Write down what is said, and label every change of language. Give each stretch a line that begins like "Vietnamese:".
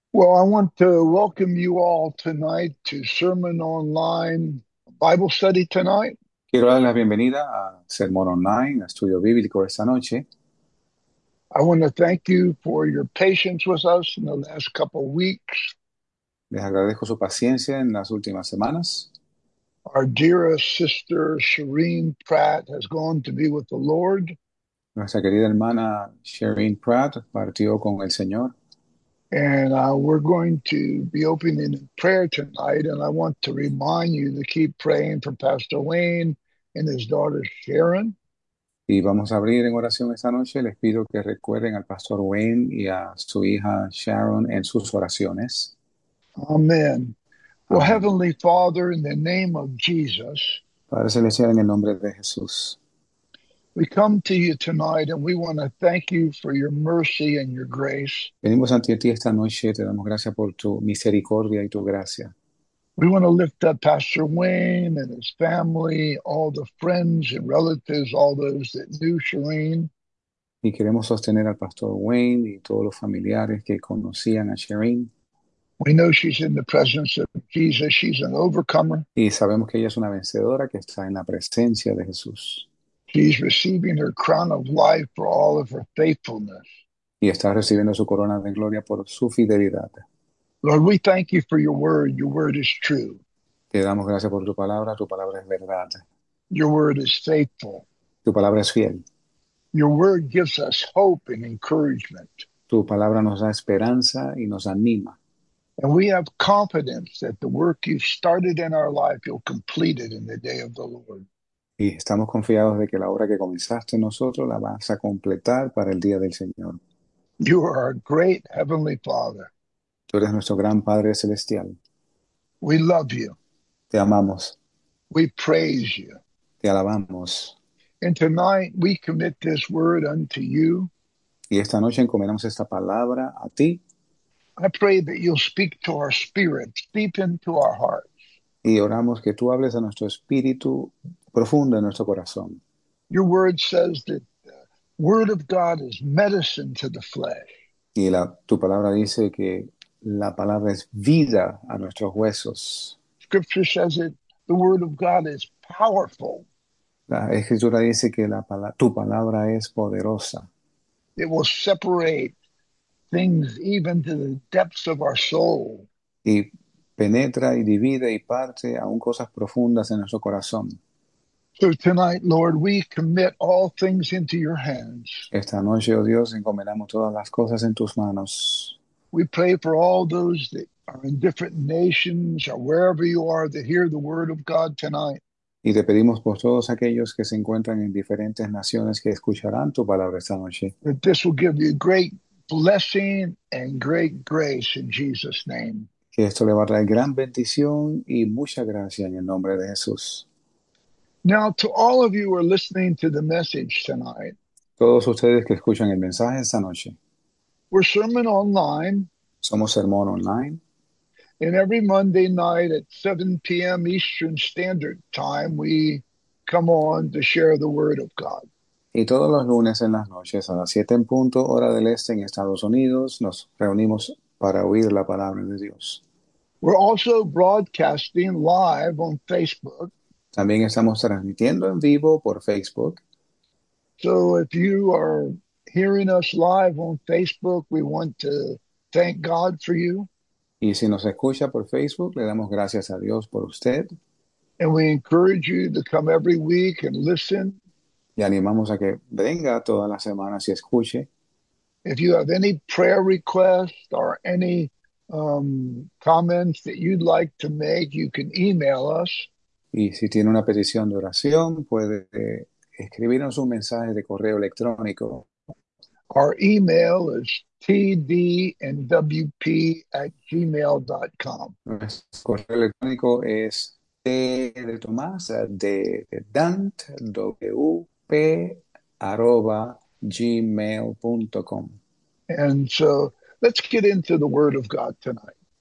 English: Well, I want to welcome you all tonight to Sermon Online Bible Study tonight.
Spanish: Quiero dar la bienvenida a Sermón Online, a Estudio Bíblico esta noche.
English: I want to thank you for your patience with us in the last couple of weeks.
Spanish: Les agradezco su paciencia en las últimas semanas.
English: Our dearest sister, Shireen Pratt, has gone to be with the Lord.
Spanish: Nuestra querida hermana Sherine Pratt partió con el Señor.
English: And we're going to be opening in prayer tonight, and I want to remind you to keep praying for Pastor Wayne and his daughter Sharon.
Spanish: Y vamos a abrir en oración esta noche. Les pido que recuerden al pastor Wayne y a su hija Sharon en sus oraciones.
English: Amen. Well,
Spanish: Amén.
English: Heavenly Father, in the name of Jesus,
Spanish: Padre Celestial, en el nombre de Jesús.
English: we come to you tonight and we want to thank you for your mercy and your grace.
Spanish: Venimos ante ti esta noche. Te damos gracias por tu misericordia y tu gracia.
English: We want to lift up Pastor Wayne and his family, all the friends and relatives, all those that knew Shireen.
Spanish: Y queremos sostener al pastor Wayne y todos los familiares que conocían a Shireen.
English: We know she's in the presence of Jesus. She's an overcomer.
Spanish: Y sabemos que ella es una vencedora que está en la presencia de Jesús.
English: She's receiving her crown of life for all of her faithfulness.
Spanish: Y está recibiendo su corona de gloria por su fidelidad.
English: Lord, we thank you for your word. Your word is true.
Spanish: Te damos gracias por tu palabra es verdad.
English: Your word is faithful.
Spanish: Tu palabra es fiel.
English: Your word gives us hope and encouragement.
Spanish: Tu palabra nos da esperanza y nos anima.
English: And we have confidence that the work you've started in our life, you'll complete it in the day of the Lord.
Spanish: Y estamos confiados de que la obra que comenzaste en nosotros la vas a completar para el día del Señor. Tú
English: You are our great Heavenly Father.
Spanish: eres nuestro gran Padre Celestial.
English: We love you.
Spanish: Te amamos.
English: We praise you.
Spanish: Te alabamos.
English: And tonight we commit this word unto you.
Spanish: Y esta noche encomendamos esta palabra a ti.
English: I pray that you'll speak to our spirits, deep into our hearts.
Spanish: Y oramos que tú hables a nuestro espíritu profundo en nuestro corazón.
English: Your word says that the word of God is medicine to the flesh.
Spanish: Y tu palabra dice que la palabra es vida a nuestros huesos.
English: Scripture says it, the word of God is powerful.
Spanish: La escritura dice que tu palabra es poderosa.
English: It will separate things even to the depths of our soul.
Spanish: Y penetra y divide y parte aún cosas profundas en nuestro corazón.
English: So tonight, Lord, we commit all things into your hands.
Spanish: Esta noche, oh Dios, encomendamos todas las cosas en tus manos.
English: We pray for all those that are in different nations or wherever you are to hear the word of God tonight.
Spanish: Y te pedimos por todos aquellos que se encuentran en diferentes naciones que escucharán tu palabra esta noche.
English: That this will give you great blessing and great grace in Jesus' name.
Spanish: Que esto le va a traer gran bendición y mucha gracia en el nombre de Jesús.
English: Now, to all of you who are listening to the message tonight,
Spanish: Todos ustedes que escuchan el mensaje esta noche,
English: we're Sermon Online.
Spanish: somos Sermón Online.
English: And every Monday night at 7 p.m. Eastern Standard Time, we come on to share the Word of God.
Spanish: Y todos los lunes en las noches a las 7 en punto, hora del este en Estados Unidos, nos reunimos para oír la palabra de Dios.
English: We're also broadcasting live on Facebook.
Spanish: También estamos transmitiendo en vivo por Facebook.
English: So if you are hearing us live on Facebook, we want to thank God for you.
Spanish: Y si nos escucha por Facebook, le damos gracias a Dios por usted.
English: And we encourage you to come every week and listen.
Spanish: Y animamos a que venga todas las semanas y escuche.
English: If you have any prayer requests or any comments that you'd like to make, you can email us.
Spanish: Y si tiene una petición de oración, puede escribirnos un mensaje de correo electrónico.
English: Our email is tdnwp@gmail.com.
Spanish: Nuestro correo electrónico es T de Tomás, de Dante, wp@gmail.com.
English: And so let's get into the Word of God tonight.